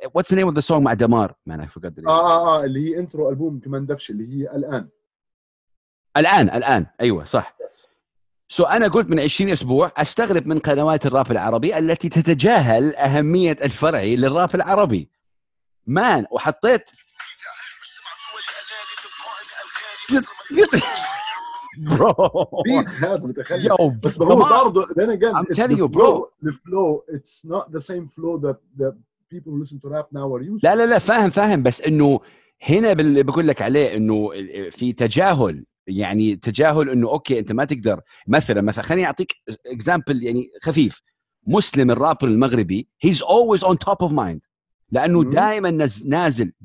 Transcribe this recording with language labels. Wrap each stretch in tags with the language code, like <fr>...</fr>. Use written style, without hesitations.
<en>What's the name of the song</en> <ar>مع دمار؟</ar> <en>Man, I forgot the name.</en> <ar>اللي هي انترو ألبوم كمان دفش اللي هي الآن. الآن. أيوة صح.</ar> <en>Yes. So</en> <ar>أنا قلت من 20 أسبوع أستغرب من قنوات الراب العربي التي تتجاهل أهمية الفرعي للراب العربي.</ar> <en>Man,</en> <ar>وحطيت.</ar> <en>برو</en> <ar>بيت هذا متخيل. بس هو برضو انا قال</ar> <en>I'm telling you bro the flow it's not the same flow that the people who listen to rap now are using.</en> <ar>لا لا لا فاهم بس انه هنا بقول لك عليه انه في تجاهل، يعني تجاهل انه اوكي انت ما تقدر مثلا خليني اعطيك اكزامبل يعني خفيف. مسلم الرابر المغربي</ar> <en>he's always on top of mind</en> <ar>لانه دائما نازل.</ar>